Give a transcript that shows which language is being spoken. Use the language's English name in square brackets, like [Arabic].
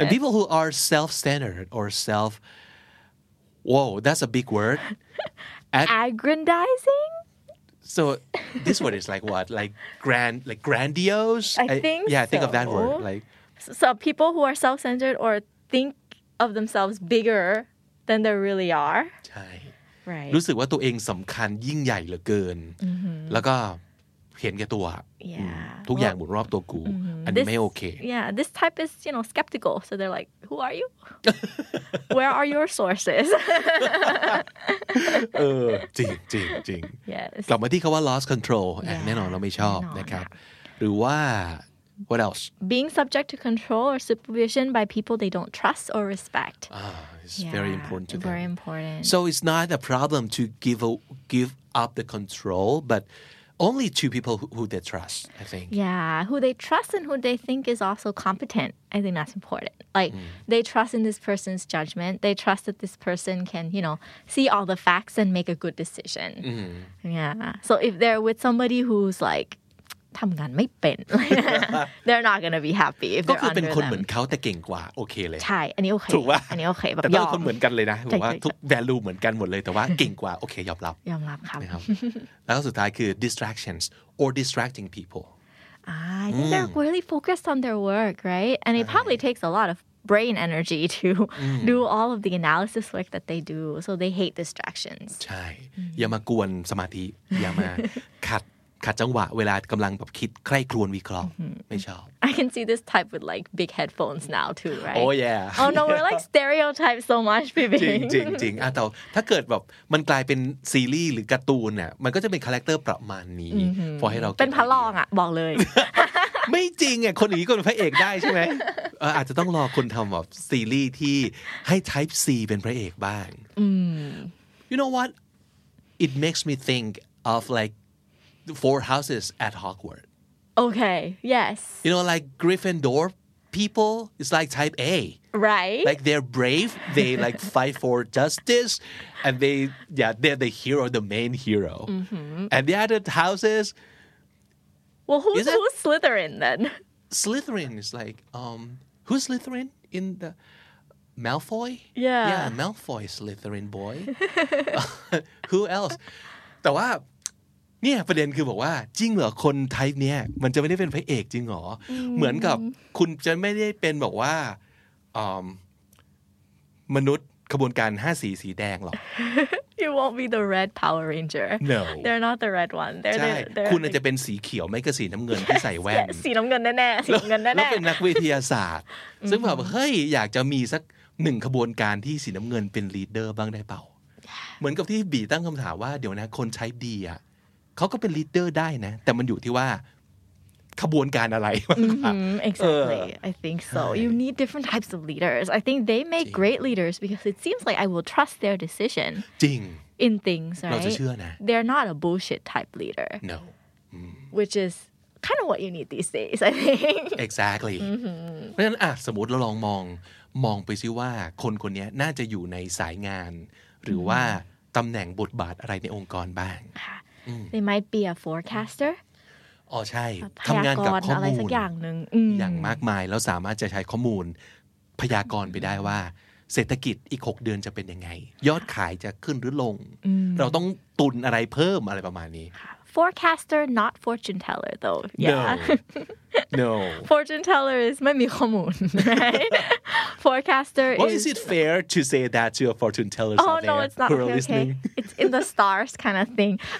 [English] and people who are self-centered or self whoa that's a big word aggrandizing so this word is like what like grandiose I think of that word like so people who are self-centered or thinkof themselves bigger than they really are [Thai] ใช่ [English] right [Thai] รู้สึกว่าตัวเองสำคัญยิ่งใหญ่เหลือเกินแล้วก็เห็นแก่ตัวทุกอย่างหมุนรอบตัวกูอันนี้ไม่โอเค [English] yeah this type is you know skeptical so they're like who are you where are your sources [Thai] เออจริงจริงจริง [English] yes [Thai] กลับมาที่คำว่า [English] lost control [Thai] แน่นอนเราไม่ชอบนะครับหรือว่า [English] What else? Being subject to control or supervision by people they don't trust or respect. Very important to them. Very important. So it's not a problem to give up the control, but only to people who they trust, I think. Yeah, who they trust and who they think is also competent. I think that's important. Like, they trust in this person's judgment. They trust that this person can, you know, see all the facts and make a good decision. Mm-hmm. Yeah. So if they're with somebody who's like, [Thai] ทำงานไม่เป็น [English] they're not gonna be happy [Thai] ก็คือเป็นคนเหมือนเขาแต่เก่งกว่าโอเคเลย ใช่อันนี้โอเค ถูกว่า อันนี้โอเคแบบ แต่เราคนเหมือนกันเลยนะแบบว่าทุก value เหมือนกันหมดเลยแต่ว่าเก่งกว่าโอเคยอมรับ ครับแล้วสุดท้ายคือ [English] distractions or distracting people I think they're really focused on their work right and it probably takes a lot of brain energy to do all of the analysis work that they do so they hate distractions [Thai] ใช่อย่ามากวนสมาธิอย่ามาขัด ขัดจังหวะเวลากำลังแบบคิดใคร่ครวญวิเคราะห์ไม่ชอบ [English] I can see this type with like big headphones now too right Oh yeah Oh no we're like stereotype so much baby [Thai] จริงจริงจริงแต่ถ้าเกิดแบบมันกลายเป็นซีรีส์หรือการ์ตูนเนี่ยมันก็จะเป็นคาแรคเตอร์ประมาณนี้ พอให้เรา เป็นพระรองอ่ะบอกเลย ไม่จริงอ่ะคนอย่างนี้ก็เป็นพระเอกได้ใช่ไหมอาจจะต้องรอคนทำแบบซีรีส์ที่ให้ type C เป็นพระเอกบ้าง [English] You know what it makes me think of like four houses at Hogwarts okay yes you know like Gryffindor people it's like type A right like they're brave they like fight for justice and they yeah they're the hero the main hero mm-hmm. and the other houses well who's Slytherin then Slytherin is like who's Slytherin in the Malfoy yeah yeah Malfoy Slytherin boy who else [Thai] แต่ว่าเนี่ยประเด็นคือบอกว่าจริงเหรอคนไทป์เนี้ยมันจะไม่ได้เป็นพระเอกจริงเหรอ [English] mm-hmm. [Thai] เหมือนกับคุณจะไม่ได้เป็นบอกว่า มนุษย์ขบวนการ5สีสีแดงหรอก [English] You won't be the red Power Ranger No They're not the red one They're [Thai] ใช่คุณอาจจะเป็นสีเขียวไม่ก็สีน้ำเงินที่ใส่แว่น สีน้ำเงินแน่ๆสีเงินแน่ๆ แล้วเป็นนักวิทยาศาสตร์ ซึ่งแบบเฮ้ยอยากจะมีสักหนึ่งขบวนการที่สีน้ำเงินเป็นลีดเดอร์บ้างได้เปล่าเหมือนกับที่บีตั้งคำถามว่าเดี๋ยวนะคนใช้ดีอ่ะเขาก็เป็นลีดเดอร์ได้นะแต่มันอยู่ที่ว่าขบวนการอะไร [English] Exactly I think so You need different types of leaders I think they make great leaders because it seems like I will trust their decision [Thai] จริง [English] in things right [Thai] เราจะเชื่อนะ [English] They're not a bullshit type leader No which is kind of what you need these days I think [Thai] Exactly เพราะฉะนั้นสมมติเราลองมองไปซิว่าคนคนนี้น่าจะอยู่ในสายงานหรือว่าตำแหน่งบทบาทอะไรในองค์กรบ้าง [English] They might be a forecaster [Thai] อ๋อใช่ทำงานกับข้อมูล อะไรสักอย่างนึง อย่างมากมายแล้วสามารถจะใช้ข้อมูลพยากรณ์ไปได้ว่าเศรษฐกิจอีก6เดือนจะเป็นยังไงยอดขายจะขึ้นหรือลงเราต้องตุนอะไรเพิ่มอะไรประมาณนี้ [English] Forecaster not fortune teller though yeah No Fortune teller is [Thai] ไม่มีข้อมูล [English] right Forecaster What is it fair to say that to a fortune teller Oh no it's not okay it's in the stars kind of thing